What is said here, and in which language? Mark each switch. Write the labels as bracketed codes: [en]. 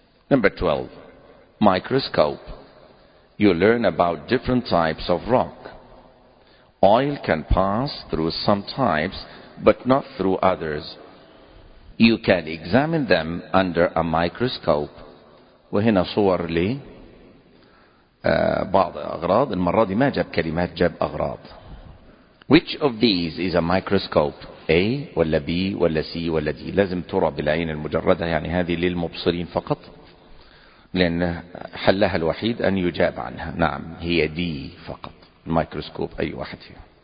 [en] Number 12, microscope. You learn about different types of rock. Oil can pass through some types, but not through others. You can examine them under a microscope. [ar] وهنا صور لي بعض أغراض. المرة دي ما جاب كلمات, جاب أغراض. [en] Which of these is a microscope? A ولا B ولا C ولا D? [ar] لازم ترى بالعين المجردة, يعني هذه للمبصرين فقط, لأن حلها الوحيد أن يجاب عنها. نعم, هي D فقط. Microscope, أي واحد فيها.